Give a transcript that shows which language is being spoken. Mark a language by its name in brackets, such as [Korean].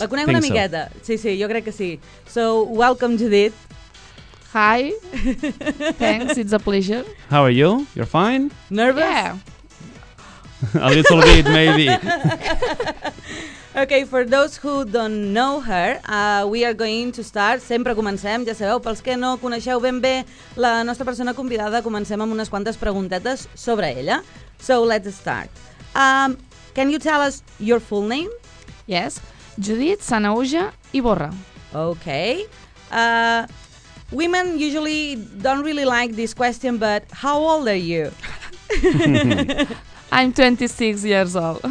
[Catalan] la conec una miqueta. Sí, sí, jo crec que sí. [English] So, welcome, Judith. Hi. Thanks, it's a pleasure. How are you? You're fine? Nervous? Yeah. A little bit, maybe. Okay, for those who don't know her, we are going to start. [Catalan] Sempre comencem, ja sabeu, pels que no coneixeu ben bé la nostra persona convidada, comencem amb unes quantes preguntetes sobre ella. [English] So, let's start. Can you tell us your full name? Yes, Judith Sanahuja Iborra. Okay. Women usually don't really like this question, but how old are you? I'm 26 years old.